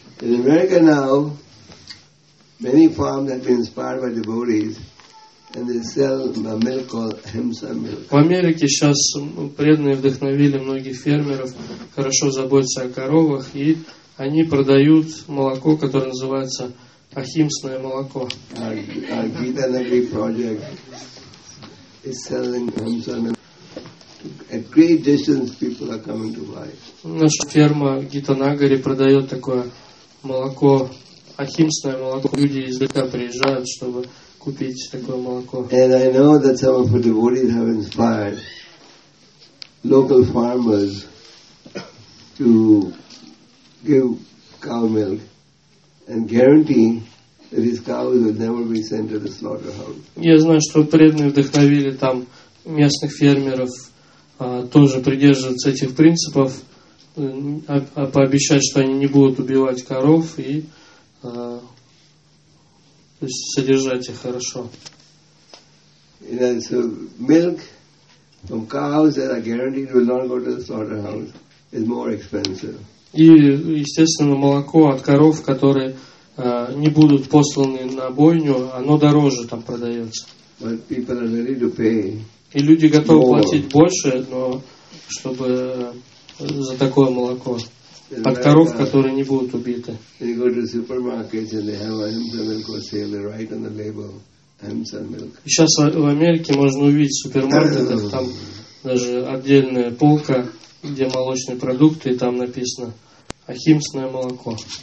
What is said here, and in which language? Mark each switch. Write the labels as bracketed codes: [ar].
[en] In America now, many farms have been inspired by devotees, and they sell a milk called Ahimsa milk. [ru] В Америке сейчас преданные вдохновили многих фермеров, хорошо заботятся о коровах, и они продают молоко, которое называется ахимсное молоко. [en] Our Gita Nagari project is selling Ahimsa milk. A great distance people are coming to buy. [ru] Наша ферма Гита Нагари продает такое молоко, ахимсное молоко. Люди из ДК приезжают, чтобы купить такое молоко. [en] And I know that some of the devotees have inspired local farmers to give cow milk and guarantee that these cows will never be sent to the slaughterhouse. [ru] Я знаю, что преданные вдохновили там местных фермеров тоже придерживаться этих принципов, пообещать, что они не будут убивать коров и то есть содержать их хорошо. [en] So milk from cows that are guaranteed will not go to the slaughterhouse is more expensive. [ru] И, естественно, молоко от коров, которые не будут посланы на бойню, оно дороже там продается. [en] But people are ready to pay. [ru] И люди готовы платить больше, но чтобы за такое молоко. От коров, которые не будут убиты. Сейчас в Америке можно увидеть супермаркет, там даже отдельная полка, где молочные продукты, и там написано ахимсное молоко.